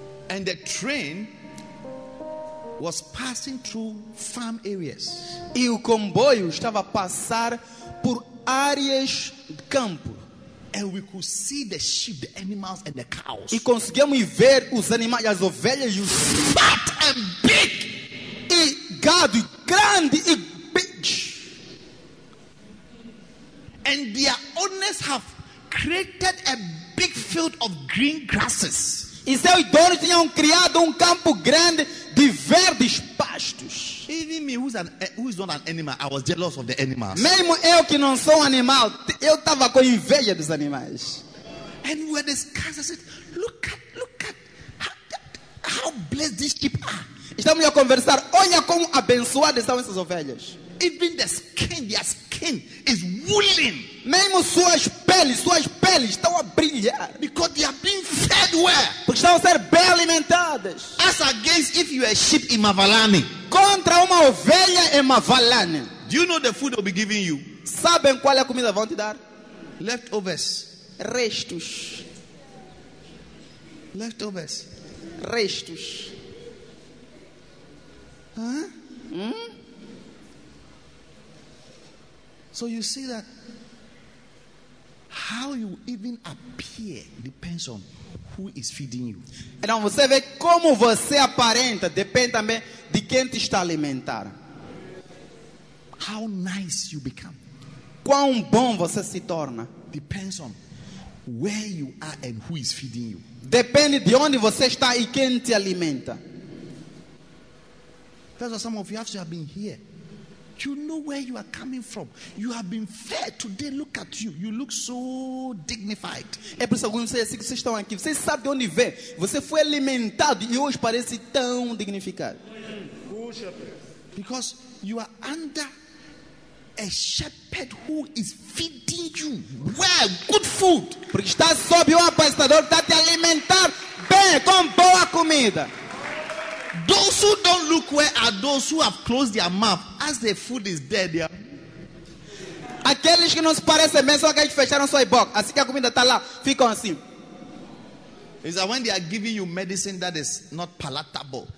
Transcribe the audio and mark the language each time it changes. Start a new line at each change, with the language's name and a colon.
English: And the train was passing through farm areas.
Portuguese: E o comboio estava a passar por áreas de campo.
English: And we could see the sheep, the animals and the cows.
Portuguese: E conseguimos ver os animais, as ovelhas e os
English: fat and big.
Portuguese: E gado grande e big.
English: And their owners have created a big field of green grasses.
Portuguese: E seus donos tinham criado um campo grande de verdes pastos.
English: Even me, who is not an animal, I was jealous of the animals.
Portuguese: Mesmo eu que não sou um animal, eu estava com inveja dos animais.
English: And we were discussing, I said, look at how blessed these sheep are.
Portuguese: Estamos a conversar, olha como abençoadas são essas ovelhas.
English: Even the skin, their skin is woolen.
Portuguese: Mesmo suas peles estão a brilhar.
English: Because they are being fed well.
Portuguese: Porque estão a ser bem alimentadas.
English: As against if you are a sheep in Mavalani.
Portuguese: Contra uma ovelha em Mavalani.
English: Do you know the food they'll be giving you?
Portuguese: Sabem qual é a comida vão te dar?
English: Leftovers.
Portuguese: Restos.
English: Leftovers.
Portuguese: Restos.
English: Huh?
Portuguese: Hmm?
English: So you see that how you even appear depends on who is feeding you.
Portuguese: Então você vê como você aparenta depende também de quem te está alimentar.
English: How nice you become.
Portuguese: Quão bom você se torna depends on where you are and who is feeding you. Depende de onde você está e quem te alimenta.
English: That's why some of you have been here. You know where you are coming from. You have been fed today. Look at you. You look so dignified.
Portuguese: É por isso que vocês estão aqui. Vocês sabem de onde vem. Você foi alimentado e hoje parece tão dignificado.
English: Because you are under a shepherd who is feeding you well, good food.
Portuguese: Porque está sob um apacentador que está te alimentar bem, com boa comida.
English: Those who don't look well are those who have closed their mouth as their food is dead. Yeah?
Portuguese: Aqueles que não se parecem bem são aqueles que fecharam sua boca. Assim que a comida está lá, ficam assim.
English: Is that when they are giving you medicine that is not palatable?